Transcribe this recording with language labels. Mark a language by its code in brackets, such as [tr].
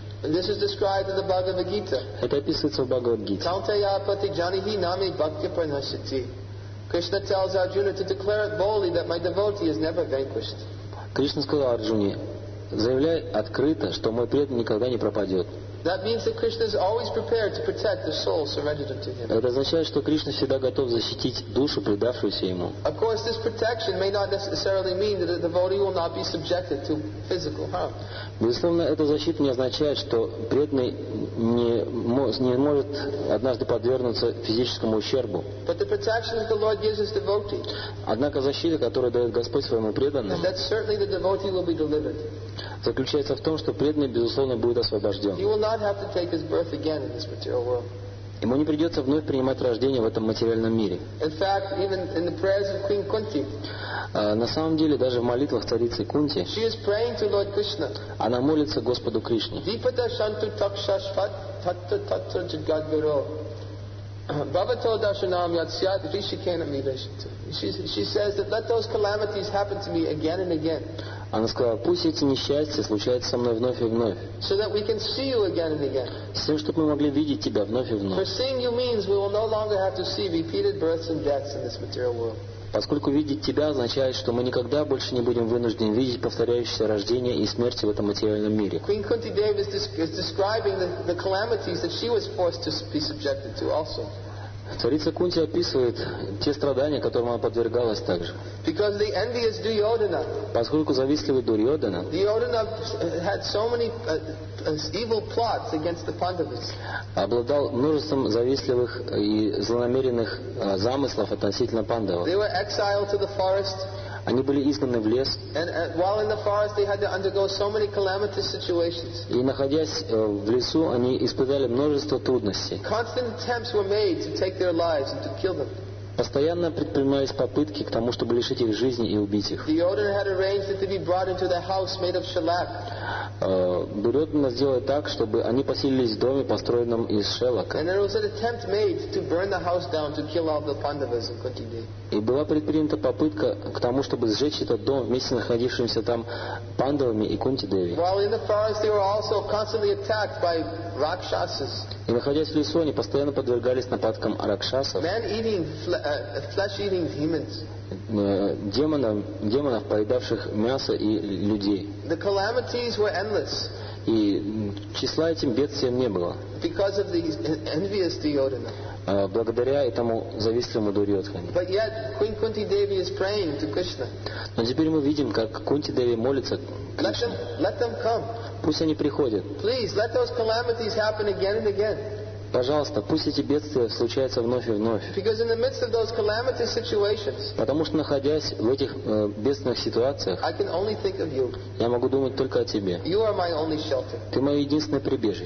[en] This is described in the Bhagavad Gita. [ru] Это описывается в Бхагавад-гите. [sa] Kaunteya pati janihi nami bhakti pranashati. [en] Krishna tells Arjuna to declare it boldly that my devotee is never vanquished. [ru] Кришна сказал Арджуне, заявляй открыто, что мой преданный никогда не пропадет. [en] That means that Krishna is always prepared to protect the soul surrendered to him. [ru] Это означает, что Кришна всегда готов защитить душу, предавшуюся ему. [en] Of course, this protection may not necessarily mean that the devotee will not be subjected to physical harm. [ru] Безусловно, эта защита не означает, что преданный не может однажды подвергнуться физическому ущербу. [en] But the protection that the Lord gives his devotee. [ru] Однако защита, которую дает Господь своему преданному. [en] And that certainly the devotee will be delivered. [ru] Заключается в том, что преданный безусловно будет освобожден. [en] He will not have to take his birth again in this material world. [ru] Ему не придется вновь принимать рождение в этом материальном мире. [en] In fact, even in the prayers of Queen Kunti, [ru] на самом деле, даже в молитвах царицы Кунти, [en] she is praying to Lord Krishna. [ru] Она молится Господу Кришне. [sa] Vipata shantu takshashvat tattu tattu jagadguru. [en] She says that let those calamities happen to me again and again. [ru] Она сказала, пусть эти несчастья случаются со мной вновь и вновь. [en] So that we can see you again and again. [ru] С тем, чтобы мы могли видеть тебя вновь и вновь. [en] For seeing you means we will no longer have to see repeated births and deaths in this material world. [ru] Поскольку видеть тебя означает, что мы никогда больше не будем вынуждены видеть повторяющиеся рождения и смерти в этом материальном мире. [en] Queen Kunti Devi is describing the calamities that she was forced to be subjected to also. [ru] Царица Кунти описывает те страдания, которым она подвергалась также. [en] Because the envious Duryodhana. [ru] Поскольку завистливый Дурьодана. [en] Duryodhana had so many evil plots against the Pandavas. [ru] Обладал множеством завистливых и злонамеренных замыслов относительно Пандавов. [en] They were exiled to the forest. [ru] Они были изгнаны в лес. [en] And while in the forest, they had to undergo so many calamitous situations. [ru] И находясь в лесу, они испытали множество трудностей. [en] Constant attempts were made to take their lives and to kill them. [ru] Постоянно предпринимались попытки к тому, чтобы лишить их жизни и убить их. [en] Duryodhana had arranged that they be brought into the house made of shellac. [ru] Duryodhana сделал так, чтобы они поселились в доме, построенном из шелака. [en] And there was an attempt made to burn the house down to kill all the Pandavas and Kunti Devi. [ru] И была предпринята попытка к тому, чтобы сжечь этот дом вместе с находившимися там Пандавами и Кунти Деви. [en] While in the forest, they were also constantly attacked by rakshasas. [ru] И находясь в лесу, они постоянно подвергались нападкам ракшасов. [en] Man-eating, flesh-eating humans. [ru] Демонов, поедавших мясо и людей. [en] The calamities were endless. [ru] И числа этим бедствиям не было. [en] Because of the envious Duryodhana. [ru] Благодаря этому завистливому Дурьодхане. [en] But yet, Queen Kunti Devi is praying to Krishna. [ru] Но теперь мы видим, как Кунти Деви молится [en] Кришне. Let them come. [ru] Пусть они приходят. [en] Please, let those calamities happen again and again. [ru] Пожалуйста, пусть эти бедствия случаются вновь и вновь. [en] Because in the midst of those calamitous situations, [ru] потому что, находясь в этих бедственных ситуациях, [en] I can only think of you. [ru] Я могу думать только о тебе. [en] You are my only shelter. [ru] Ты мое единственное прибежище.